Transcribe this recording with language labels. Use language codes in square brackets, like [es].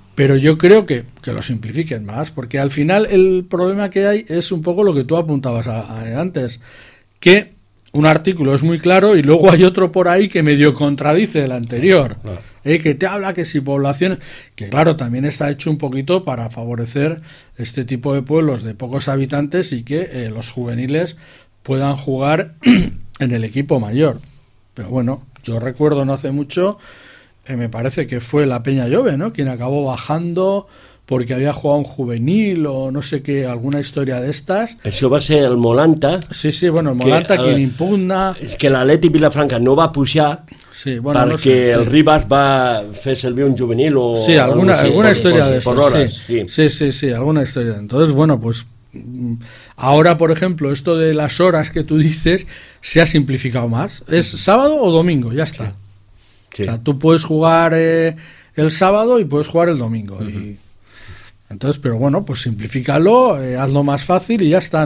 [es] Pero yo creo que lo simplifiquen más, porque al final el problema que hay es un poco lo que tú apuntabas a antes, que un artículo es muy claro y luego hay otro por ahí que medio contradice el anterior, que te habla que si población, que claro, también está hecho un poquito para favorecer este tipo de pueblos de pocos habitantes y que los juveniles puedan jugar en el equipo mayor. Pero bueno, yo recuerdo no hace mucho, me parece que fue la Peña Llove, ¿no?, quien acabó bajando... porque había jugado un juvenil o no sé qué, alguna historia de estas. [ca] Això va ser el Molanta. [es] Sí, sí, bueno, el Molanta, quien impugna... [ca] És que l'Atleti Vilafranca no va pujar, sí, bueno, perquè no sé, el Ribas va fer servir un juvenil o... Sí, alguna, o alguna història d'aquestes, sí. Sí, sí, sí, alguna història. [es] Entonces, bueno, pues... Ahora, por ejemplo, esto de las horas que tú dices se ha simplificado más. ¿Es sábado o domingo? Ya está. Sí. O sea, tú puedes jugar el sábado y puedes jugar el domingo. Uh-huh. Y... Entonces, pero bueno, pues simplifícalo, hazlo más fácil y ya está.